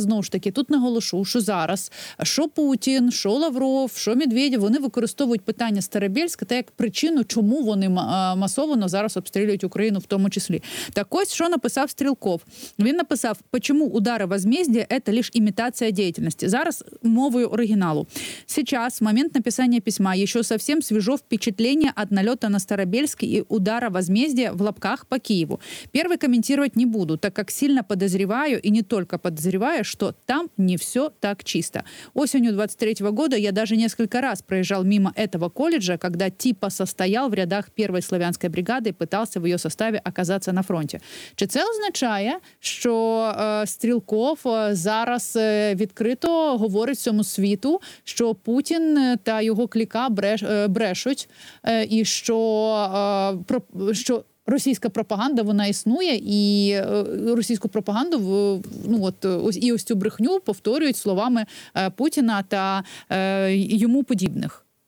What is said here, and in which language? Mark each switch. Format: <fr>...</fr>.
<uk>Знову ж таки, тут наголошу, що зараз, що Путін, що Лавров, що Медведєв, вони використовують питання Старобільська та як причину, чому вони масово зараз обстрілюють Україну в тому числі. Так ось, що написав Стрілков. Він написав,</uk> <ru>«Почему удари возмездия</ru> <uk>– це лише імітація діяльності». Зараз мовою оригіналу.</uk> <ru>«Сейчас, момент написання письма, еще совсем свежо впечатление от налета на Старобільський и удара возмездия в лапках по Киеву. Первый комментировать не буду, так как сильно подозреваю, и не только подозреваю, что там не все так чисто. Осенью 23-го года я даже несколько раз проезжал мимо этого колледжа, когда типа состоял в рядах первой славянской бригады и пытался в ее составе оказаться на фронте».</ru> <uk>Чи це означає, що Стрілков зараз відкрито говорить цьому світу, що Путін та його кліка брешуть, і що... що російська пропаганда, вона існує, і російську пропаганду, ну от, і ось цю брехню повторюють словами Путіна та йому подібних.</uk>